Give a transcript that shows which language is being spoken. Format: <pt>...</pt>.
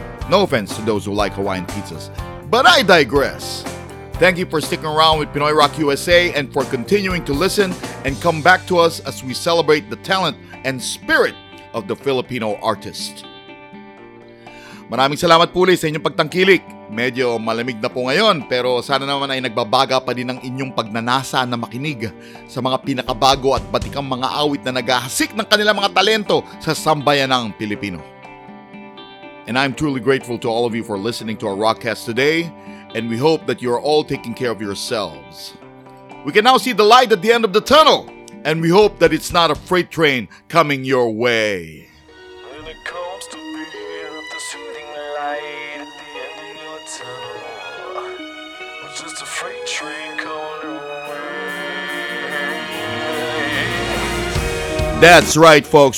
<en>No offense to those who like Hawaiian pizzas, but I digress. Thank you for sticking around with Pinoy Rock USA and for continuing to listen and come back to us as we celebrate the talent and spirit of the Filipino artist.</en> <tl>Maraming salamat po ulit sa inyong pagtangkilik. Medyo malamig na po ngayon, pero sana naman ay nagbabaga pa din ang inyong pagnanasa na makinig sa mga pinakabago at batikang mga awit na nagahasik ng kanilang mga talento sa sambayanang Pilipino.</tl> <en>And I'm truly grateful to all of you for listening to our rockcast today. And we hope that you are all taking care of yourselves. We can now see the light at the end of the tunnel. And we hope that it's not a freight train coming your way. When it comes to being the soothing light at the end of your tunnel, just a freight train coming your way. That's right, folks.</en>